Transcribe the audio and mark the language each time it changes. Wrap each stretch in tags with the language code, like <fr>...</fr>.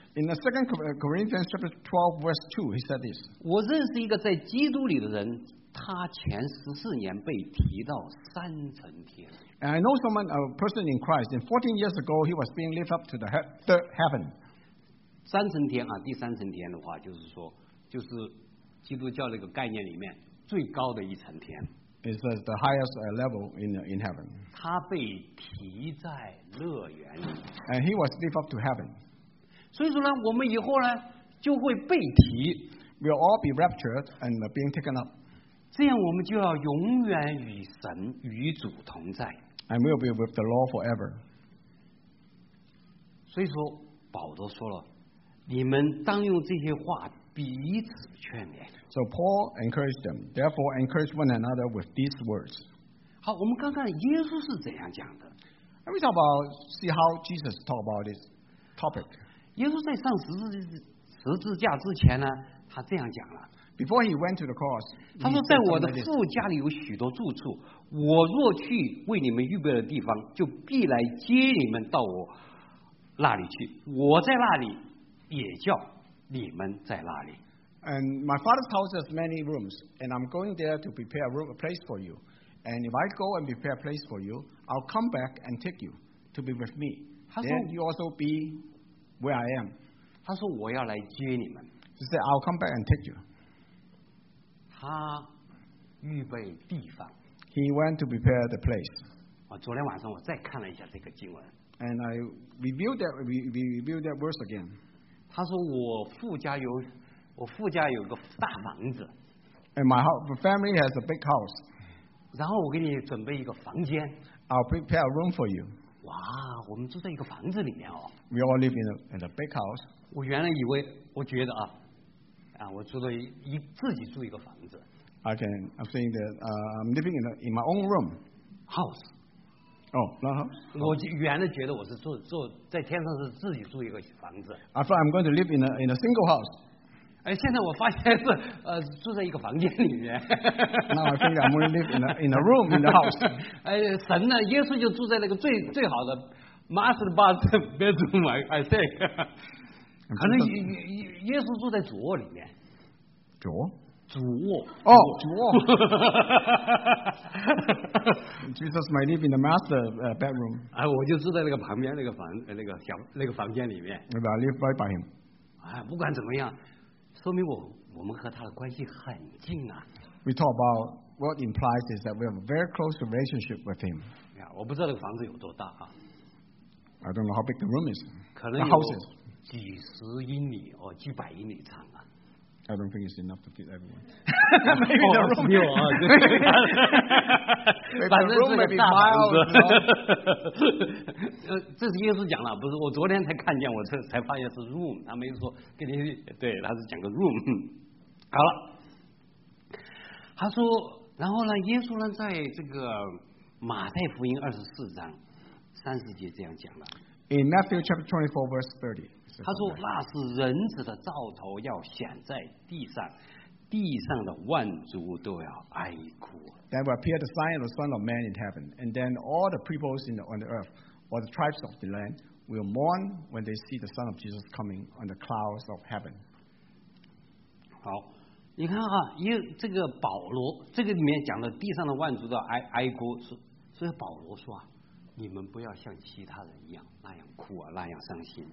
<en>In the second Corinthians chapter 12 verse 2, he said this.</en> <zh>我认识一个在基督里的人，他前十四年被提到三层天。</zh> <en>And I know someone, a person in Christ, and 14 years ago, he was being lifted up to the third heaven.</en> <zh>三层天啊，第三层天的话，就是说，就是基督教那个概念里面最高的一层天。</zh> <en>It's the highest level in heaven.</en> <zh>他被提在乐园里。</zh> <en>And he was lifted up to heaven.</en> <zh>所以说呢，我们以后呢就会被提。</zh> <en>We'll all be raptured and being taken up.</en> <zh>这样我们就要永远与神与主同在。</zh> <en>And we'll be with the Lord forever.</en> <zh>所以说保罗说了，你们当用这些话彼此劝勉。</zh> <en>So Paul encouraged them. Therefore, encourage one another with these words.</en> <zh>好，我们看看耶稣是怎样讲的。</zh> <en>Let me talk about see how Jesus talk about this topic.</en> <zh>耶稣在上十字架之前呢，他这样讲了。</zh> <en>Before he went to the cross,</en> <zh>他说在我的父家里有许多住处，我若去为你们预备的地方，就必来接你们到我那里去。我在那里也叫你们在那里。</zh> <en>And my father's house has many rooms, and I'm going there to prepare a place for you. And if I go and prepare a place for you, I'll come back and take you to be with me. Then you also be where I am.</en> <zh>他说我要来接你们。</zh> <en>He said, I'll come back and take you.</en> <zh>他预备地方。</zh> <en>He went to prepare the place.</en> <zh>我昨天晚上我再看了一下这个经文。</zh> <en>And I reviewed that verse again.</en> <zh>他说我父家有个大房子</zh> <en>，and my family has a big house.</en> <zh>然后我给你准备一个房间</zh> <en>，I'll prepare a room for you.</en> <zh>哇，我们住在一个房子里面哦。</zh> <en>We all live in a big house. 我原来以为我觉得啊啊，我住了一自己住一个房子。 I'm saying that I'm living in my own room. House. Oh, not house.</en> <zh>我原来觉得我是住在天上是自己住一个房子。</zh> <en>I thought I'm going to live in a single house.</en> <zh>哎，现在我发现是住在一个房间里面。</zh> <en>Now I think I'm going to live in a room in the house.</en> <zh>哎，神呢？耶稣就住在那个最好的 master bedroom.</zh> <en>I think.</en> <zh>可能耶稣住在主卧里面。主卧。主卧。哦，主卧。</zh> <en>Jesus might live in the master bedroom.</en> <zh>哎，我就住在那个旁边那个房那个小那个房间里面。</zh> <en>Maybe I live right by him.</en> <zh>哎，不管怎么样。说明我们和他的关系很近啊。</zh> <en>We talk about what implies is that we have a very close relationship with him.</en> <zh>Yeah, 我不知道这个房子有多大啊。</zh> <en>I don't know how big the room is.</en> <zh>可能有几十英里哦，几百英里长啊。</zh> <en>I don't think it's enough to fit everyone. Maybe the room is small. Maybe the room may be miles.</en> <zh>这是耶稣讲了，不是我昨天才看见，我才发现是 room。他没说跟你对，他是讲个 room。好了，他说，然后呢，耶稣呢，在这个马太福音24:30这样讲了。</zh> <en>In Matthew chapter 24, verse 30.</en> <zh>他说那是人子的兆头要显在地上，地上的万族都要哀哭。</zh> <en>That will appear the sign of the Son of Man in heaven, and then all the peoples on the earth, or the tribes of the land, will mourn when they see the Son of Jesus coming on the clouds of heaven.</en> <zh>好，你看啊，因为这个保罗，这个里面讲的地上的万族都要哀哭，所以保罗说啊，你们不要像其他人一样那样哭啊，那样伤心。</zh>